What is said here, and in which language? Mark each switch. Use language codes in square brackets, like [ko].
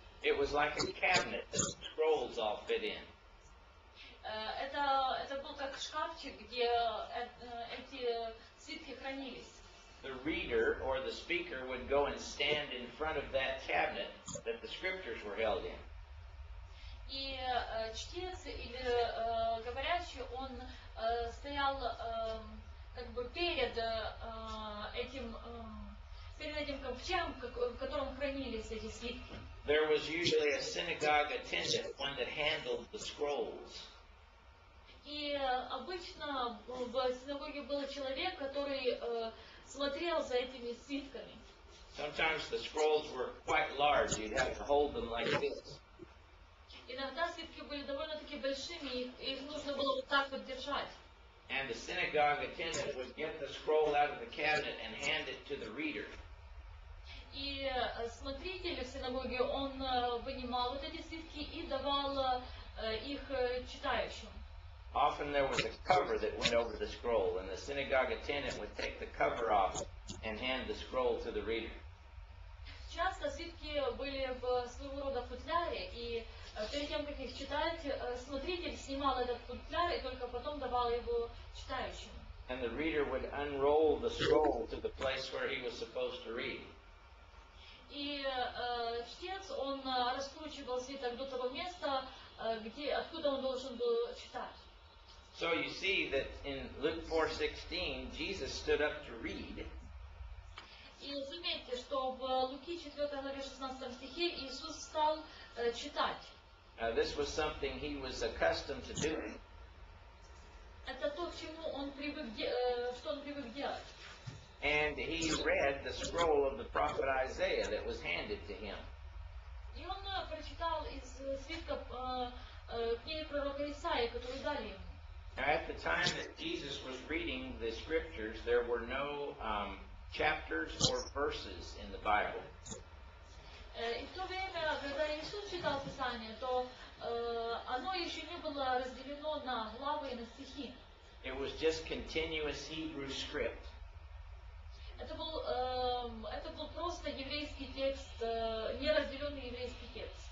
[en] It was like a cabinet that the scrolls all fit in. [ru] Это был как шкафчик, где эти свитки хранились. [en] The reader or the speaker would go and stand in front of that cabinet that the scriptures were held in. [ru] И чтец или говорящий, он стоял как бы перед этим ковчегом, в котором хранились эти свитки. [en] There was usually a synagogue attendant, one that handled the scrolls. [ru] И обычно в синагоге был человек, который смотрел за этими свитками. [en] Sometimes the scrolls were quite large. You'd have to hold them like this. [ru] Иногда свитки были довольно-таки большими, и их нужно было вот так вот держать. [en] And the synagogue attendant would get the scroll out of the cabinet and hand it to the reader. [ru] И смотритель в синагоге, он вынимал вот эти свитки и давал их читающим. [en] Often there was a cover that went over the scroll, and the synagogue attendant would take the cover off and hand the scroll to the reader. [ru] Часто свитки были в своего рода футляре, и перед тем, как их читают, смотритель снимал этот футляр и только потом давал его читающим. [en] And the reader would unroll the scroll to the place where he was supposed to read. [ru] И чтец, он раскручивал свиток до того места, где, откуда он должен был читать. [en] So you see that in Luke 4:16, Jesus stood up to read. [ru] И заметьте, что в Луки 4 главе 16 стихе Иисус стал читать. [en] Now this was something he was accustomed to doing. [ru] Это то, к чему он привык, что он привык делать. [en] And he read the scroll of the prophet Isaiah that was handed to him. [ru] И он прочитал из свитка книги пророка Исаии, которую дали ему. [en] Now, at the time that Jesus was reading the scriptures, there were no chapters or verses in the Bible. [ru] И в то время, когда Иисус читал Писание, то оно еще не было разделено на главы и на стихи. [en] It was just continuous Hebrew script. [ru] Это был просто еврейский текст, неразделенный еврейский текст.